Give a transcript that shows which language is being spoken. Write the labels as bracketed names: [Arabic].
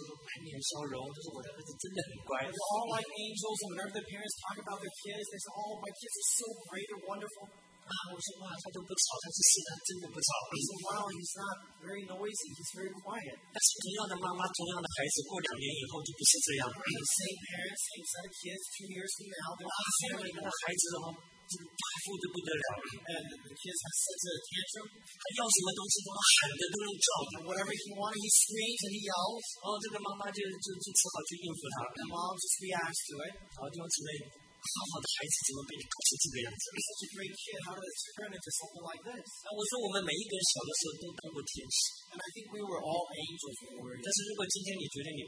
[Chinese] 然后你看到每一个爸爸妈妈见到他们孩子的时候，满脸笑容，就是我的儿子真的很乖。 [English] They're all like angels, and whenever the parents talk about their kids, they say, "Oh, my kids are so great and wonderful." [Chinese] 啊，我说哇，他都不吵，他是真的不吵。 [English] He's not very noisy. He's very quiet. [Chinese] 但是同样的妈妈，同样的孩子，过两年以后就不是这样了。 [English] Same parents, same set of kids. 2 years from now, they're not the same. And the kids have such a tantrum. [Chinese] 他要什么东西都喊的，都用叫的。And [English] whatever he wants, he screams and he yells. [Chinese] 哦，这个妈妈就只好去应付他。And [English] mom just reacts to it. [Chinese] 好，就这么。好好的孩子怎么被你搞成这个样子？He's [English] such a great kid. How did it turn into something like this? [Chinese] 我说我们每一个人小的时候都当过天使。And [English] I think we were all angels when we were.